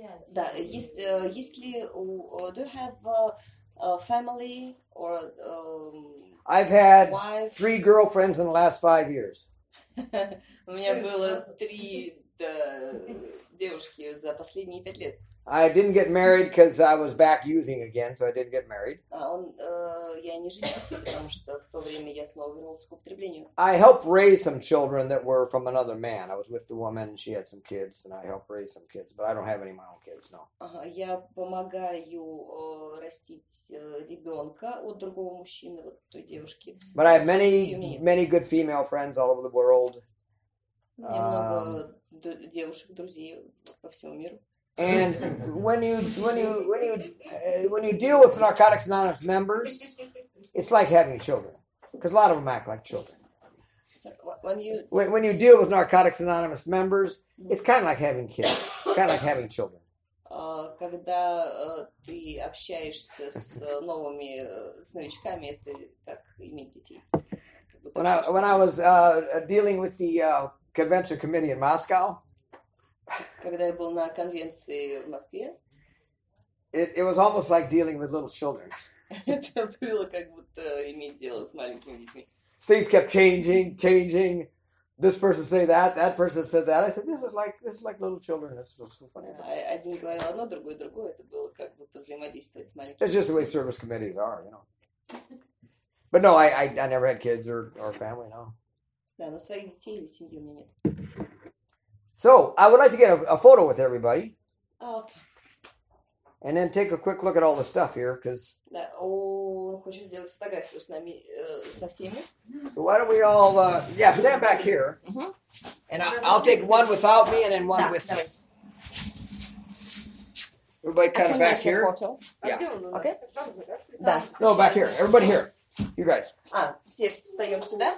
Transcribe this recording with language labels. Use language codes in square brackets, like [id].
[ru] Да, если [en] do you have a family or I've had wife? 3 girlfriends in the last 5 years. [ru] У меня было 3 девушки за последние 5 лет. [en] I didn't get married because I was back using again, so I didn't get married. [ru] Я не женился, потому что в то время я снова вернулся к употреблению. [en] I helped raise some children that were from another man. I was with the woman, she had some kids, and I helped raise some kids, but I don't have any of my own kids, no. [ru] Я помогаю растить ребенка у другого мужчины, вот той девушки. [en] But I have many, many good female friends all over the world. [ru] Немного девушек, друзей по всему миру. [en] And when you deal with Narcotics Anonymous members, it's like having children, because a lot of them act like children. When you deal with Narcotics Anonymous members, it's kind of like having kids, kind of like having children. [ru] Когда ты общаешься с новыми с новичками, это как иметь детей. [en] When I was dealing with the convention committee in Moscow. [ru] Когда я был на конвенции в Москве. [en] It was almost like dealing with little children. [ru] Это было как будто иметь дело с маленькими детьми. [en] Things kept changing. This person say that person said that. I said, this is like little children. That's so funny. [ru] Один говорил одно, другое. Это было как будто взаимодействовать с маленькими. [en] It's just the way service committees are, you know. But no, I never had kids or family, no. [ru] Да, но своих детей или семьи у меня нет. [en] So, I would like to get a photo with everybody. Oh, okay. And then take a quick look at all the stuff here, because... [ru] Да, он хочет сделать фотографию с нами, со всеми. [en] So why don't we all, stand back here. Mm-hmm. And I'll take one without me and then one with me. Everybody kind of back here. Photo. Yeah. Okay. [ru] Да. [en] No, back here. Everybody here. You guys. [ru] Все встаем сюда.